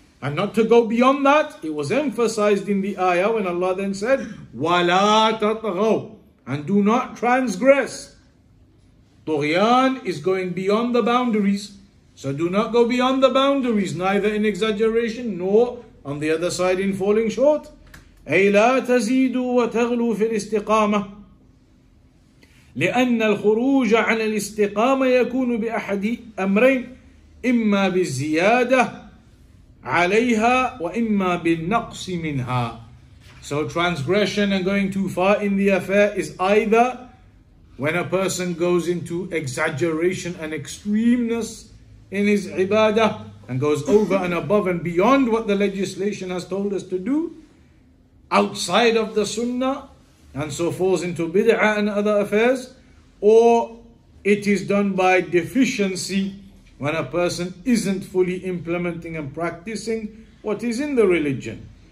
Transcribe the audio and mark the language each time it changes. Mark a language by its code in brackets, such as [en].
[en] And not to go beyond that, it was emphasized in the ayah when Allah then said, [ar] وَلَا تَطْغَوْا, [en] and do not transgress. Tughyan is going beyond the boundaries. So do not go beyond the boundaries, neither in exaggeration, nor on the other side in falling short. [ar] أي لا تزيدوا وتغلوا في الاستقامة لأن الخروج عن الاستقامة يكون بأحد أمرين إما بالزيادة عليها وإما بالنقص منها. [en] So transgression and going too far in the affair is either when a person goes into exaggeration and extremeness in his ibadah and goes over and above and beyond what the legislation has told us to do, outside of the sunnah, and so falls into bid'ah and other affairs, or it is done by deficiency when a person isn't fully implementing and practicing what is in the religion.